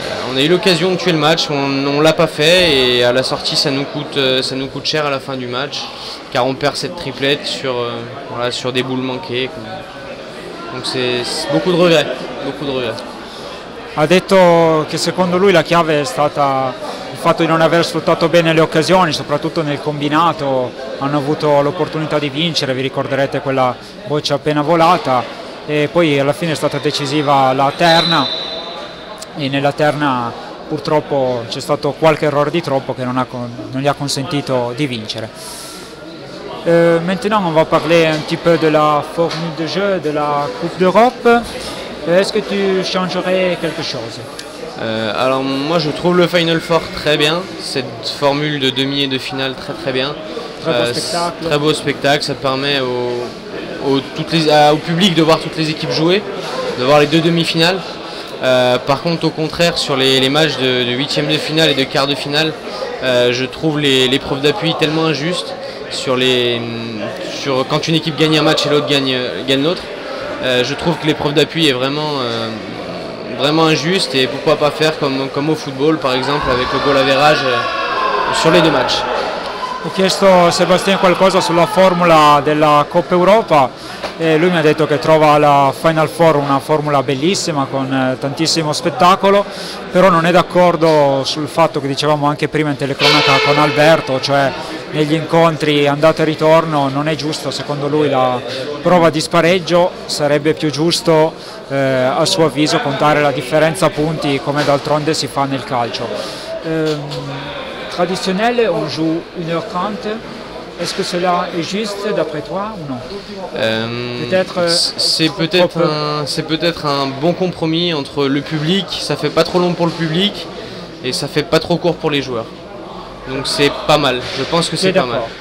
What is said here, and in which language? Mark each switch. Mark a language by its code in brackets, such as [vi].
[fr] On a eu l'occasion de tuer le match, on l'a pas fait et à la sortie ça nous coûte cher à la fin du match car on perd cette triplette sur des boules manquées. Donc c'est beaucoup de regrets, beaucoup de regrets. [it] Ha detto che secondo lui la chiave è stata il fatto di non aver sfruttato bene le occasioni, soprattutto nel combinato hanno avuto l'opportunità di vincere, vi ricorderete quella boccia appena volata e poi alla fine è stata decisiva la terna. E nella terna purtroppo c'è stato qualche errore di troppo che non gli ha consentito di vincere. [fr] Maintenant on va parler un petit peu de la formule de jeu de la Coupe d'Europe. Est-ce que tu changerais quelque chose? Alors moi je trouve le Final Four très bien, cette formule de demi et de finale très très bien. Très beau spectacle, ça permet au public de voir toutes les équipes jouer, de voir les 2 demi-finales. Par contre, au contraire, sur les matchs de 8e de finale et de quart de finale, je trouve les preuves d'appui tellement injustes sur quand une équipe gagne un match et l'autre gagne l'autre. Je trouve que l'épreuve d'appui est vraiment, vraiment injuste et pourquoi pas faire comme au football, par exemple, avec le goal average sur les deux matchs. [it] Ho chiesto a Sébastien qualcosa sulla formula della Coppa Europa e lui mi ha detto che trova la Final Four una formula bellissima con tantissimo spettacolo, però non è d'accordo sul fatto che dicevamo anche prima in telecronaca con Alberto, cioè negli incontri andata e ritorno non è giusto, secondo lui la prova di spareggio sarebbe più giusto a suo avviso contare la differenza punti come d'altronde si fa nel calcio. [fr] Traditionnel, on joue 1h30. Est-ce que cela est juste d'après toi ou non? C'est peut-être un bon compromis entre le public, ça fait pas trop long pour le public et ça fait pas trop court pour les joueurs. Donc c'est pas mal. Je pense que c'est pas mal.